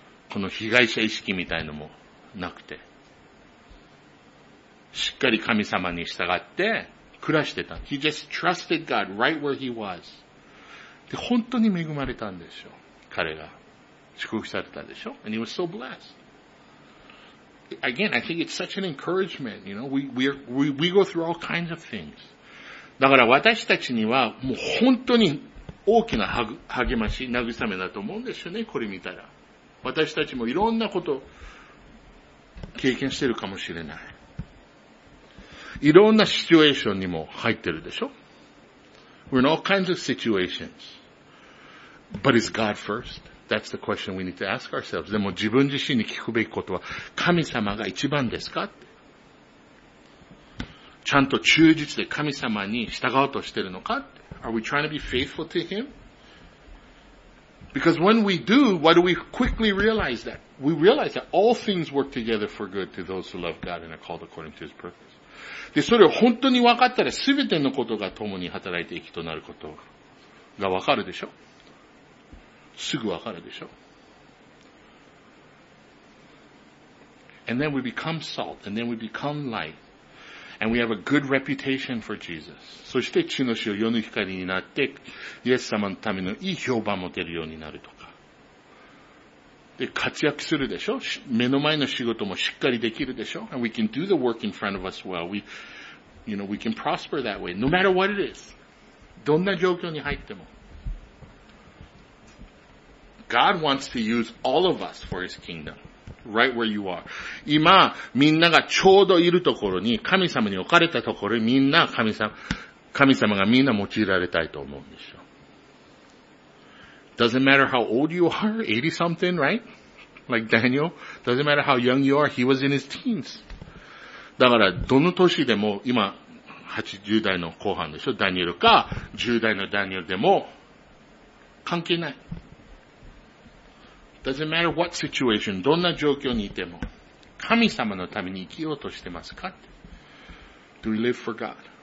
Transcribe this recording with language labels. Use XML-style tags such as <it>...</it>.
<ja>この被害者意識みたいのもなくて、しっかり神様に従って暮らしてた。</ja> <en>He just trusted God right where he was.</en> <ja>で、本当に恵まれたんでしょう。彼が祝福されたでしょう。</ja> <en>And he was so blessed. Again, I think it's such an encouragement. You know, we go through all kinds of things.</en> <ja>だから私たちにはもう本当に大きな励まし、慰めだと思うんですよね。これ見たら。私たちもいろんなこと経験してるかもしれない。いろんなシチュエーションにも入ってるでしょ。</ja> <en>We're in all kinds of situations. But is God first? That's the question we need to ask ourselves.</en> <ja>でも自分自身に聞くべきことは、神様が一番ですか？ちゃんと忠実で神様に従おうとしてるのか？</ja> <en>Are we trying to be faithful to Him? Because when we do, why do we quickly realize that? We realize that all things work together for good to those who love God and are called according to His purpose.</en> <ja>で、それを本当に分かったら、すべてのことが共に働いていくとなることが分かるでしょ？すぐ分かるでしょ？</ja> <en>And then we become salt, and then we become light, and we have a good reputation for Jesus.</en> <ja>そして地の塩、世の光になって、イエス様のためのいい評判を持てるようになるとか。で、活躍するでしょ？目の前の仕事もしっかりできるでしょ？</ja> <en>And we can do the work in front of us well. We can prosper that way, no matter what it is.</en> <ja>どんな状況に入っても。</ja> <en>God wants to use all of us for His kingdom. Right where you are.</en> <ja>今、みんながちょうどいるところに、神様に置かれたところにみんな、神様がみんな用いられたいと思うんですよ。</ja> <en>Doesn't matter how old you are, 80 something, right? Like Daniel. Doesn't matter how young you are, he was in his teens.</en> <ja>だから、どの年でも、今、80代の後半でしょ、ダニエルか、10代のダニエルでも、関係ない。</ja> <en>Doesn't matter what situation,</en> <ja>どんな状況にいても、神様のために生きようとしてますか？</ja> <en>Do we live for God?</en>